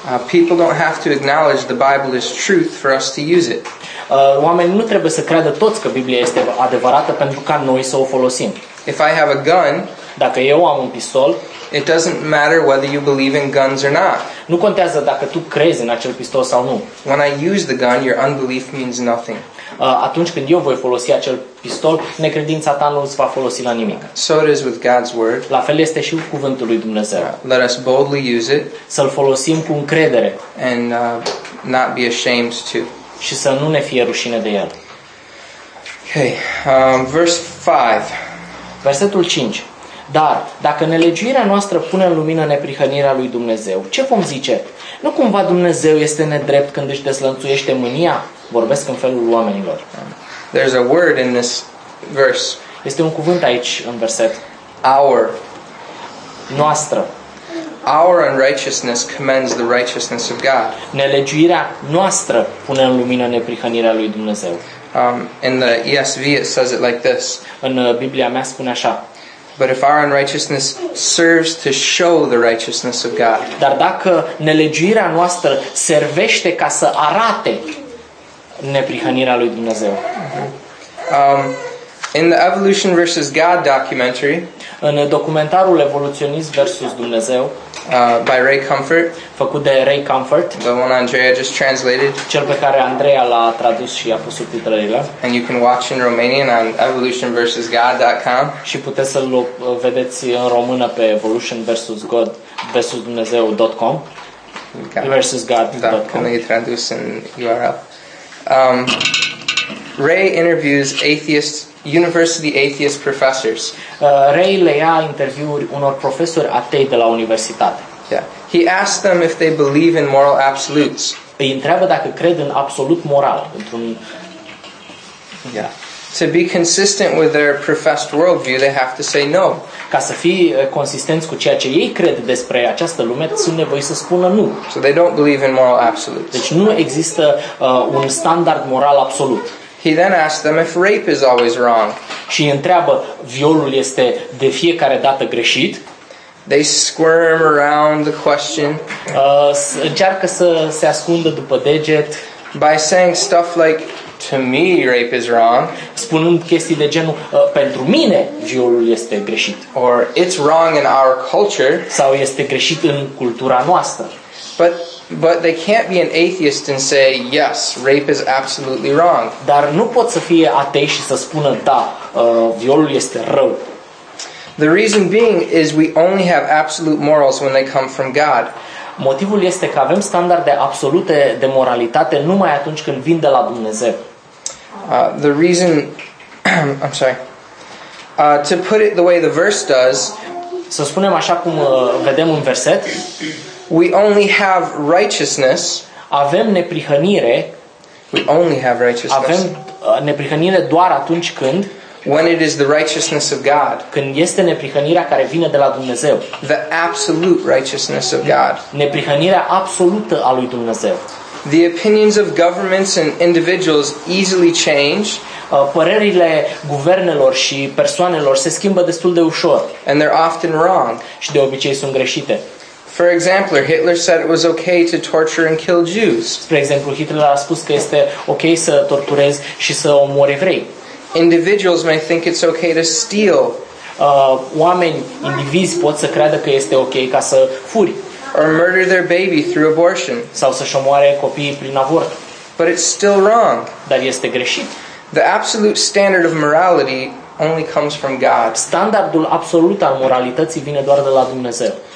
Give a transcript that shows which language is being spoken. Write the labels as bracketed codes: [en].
[en] People don't have to acknowledge the Bible is truth for us to use it. [ro] Oamenii nu trebuie să creadă toți că Biblia este adevărată pentru ca noi să o folosim. [en] If I have a gun, [ro] dacă eu am un pistol, [en] it doesn't matter whether you believe in guns or not. [ro] Nu contează dacă tu crezi în acel pistol sau nu. [en] When I use the gun, your unbelief means nothing. [ro] Atunci când eu voi folosi acel pistol, necredința ta nu îți va folosi la nimic. [en] So it is with God's word. [ro] La fel este și cu cuvântul lui Dumnezeu. [en] Let us boldly use it. [ro] Să-l folosim cu încredere. [en] And not be ashamed to. [ro] Și să nu ne fie rușine de el. [en] Okay, verse 5. [ro] Versetul 5. Dar dacă nelegiuirea noastră pune în lumină neprihănirea lui Dumnezeu, ce vom zice? Nu cumva Dumnezeu este nedrept când își deslănțuiește mânia? Vorbesc în felul oamenilor. [en] There's a word in this verse. [ro] Este un cuvânt aici în verset. [en] Our. [ro] Noastră. [en] Our unrighteousness commends the righteousness of God. [ro] Nelegiuirea noastră pune în lumină neprihănirea lui Dumnezeu. [en] In the ESV it says it like this. [ro] În Biblia mea spune așa. [en] But if our unrighteousness serves to show the righteousness of God. [ro] Dar dacă nelegiuirea noastră servește ca să arate neprihănirea lui Dumnezeu. [en] In the Evolution versus God documentary, [ro] în documentarul Evoluționist versus Dumnezeu, [en] by Ray Comfort, [ro] făcut de Ray Comfort, [en] the one Andrea just translated, [ro] cel pe care Andrea l-a tradus și a pus subtitrările, [en] and you can watch in Romanian on evolutionversusgod.com, [ro] și puteți să-l vedeți în română pe Evolution versus God versus Dumnezeu.com versus God.com. Da, tradus în URL. [en] Ray interviews atheists, university atheist professors. [ro] Ray le ia interviuri unor profesori atei de la universitate. [en] Yeah. He asks them if they believe in moral absolutes. [ro] Îi întreabă dacă cred în absolut moral, într-un... [en] Yeah. To be consistent with their professed worldview, they have to say no. [ro] Ca să fie consistenți cu ceea ce ei cred despre această lume, sunt nevoie să spună nu. [en] So they don't believe in moral absolutes. [ro] Deci nu există un standard moral absolut. [en] He then asks them if rape is always wrong. [ro] Și întreabă, violul este de fiecare dată greșit? [en] They squirm around the question. [ro] Încearcă să se ascundă după deget. [en] By saying stuff like, to me, rape is wrong. [ro] Spunând chestii de genul, pentru mine, violul este greșit. [en] Or, it's wrong in our culture. [ro] Sau este greșit în cultura noastră. [en] But they can't be an atheist and say, yes, rape is absolutely wrong. [ro] Dar nu pot să fie atei și să spună, da, violul este rău. [en] The reason being is we only have absolute morals when they come from God. [ro] Motivul este că avem standarde absolute de moralitate numai atunci când vin de la Dumnezeu. [en] The reason, I'm sorry, to put it the way the verse does, [ro] să spunem așa cum vedem în verset, [en] we only have righteousness. [ro] Avem neprihănire. [en] We only have righteousness. [ro] Avem neprihănire doar atunci când [en] When it is the righteousness of God. [ro] Când este neprihănirea care vine de la Dumnezeu. [en] The absolute righteousness of God. [ro] Neprihănirea absolută a lui Dumnezeu. [en] The opinions of governments and individuals easily change. [ro] Părerile guvernelor și persoanelor se schimbă destul de ușor. [en] And they're often wrong. [ro] Și de obicei sunt greșite. [en] For example, Hitler said it was okay to torture and kill Jews. [ro] Spre exemplu, Hitler a spus că este okay să torturezi și să omori evrei. [en] Individuals may think it's okay to steal. [ro] Oameni, indivizi pot să creadă că este okay ca să furi. [en] Or murder their baby through abortion. [ro] Sau să-și omoare copiii prin avort. [en] But it's still wrong. [ro] Dar este greșit. [en] The absolute standard of morality only comes from God. [ro] Standardul absolut al moralității vine doar de la Dumnezeu.